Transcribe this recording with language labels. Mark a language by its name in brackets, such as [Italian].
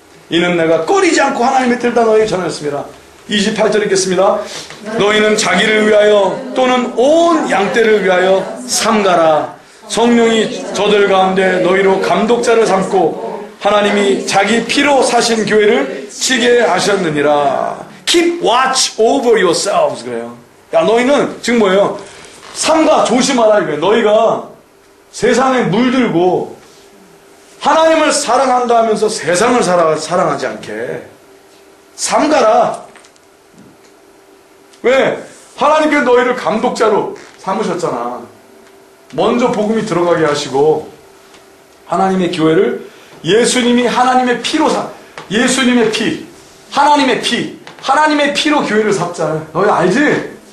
[Korean] 이는 내가 꺼리지 않고 하나님의 뜻을 다 너희에게 전하였습니다. 28절 읽겠습니다. 너희는 자기를 위하여 또는 온 양떼를 위하여 삼가라. 성령이 저들 가운데 너희로 감독자를 삼고 하나님이 자기 피로 사신 교회를 치게 하셨느니라. [English] Keep watch over yourselves. [Korean] 그래요. 야, 너희는 지금 뭐예요? 삼가 조심하라 이거예요. 너희가 세상에 물들고 하나님을 사랑한다 하면서 세상을 사랑하지 않게 삼가라. 왜? 하나님께서 너희를 감독자로 삼으셨잖아. 먼저 복음이 들어가게 하시고 하나님의 교회를 예수님이 하나님의 피로 삼, 예수님의 피, 하나님의 피, 하나님의 피로 교회를 삼잖아. 너희 알지?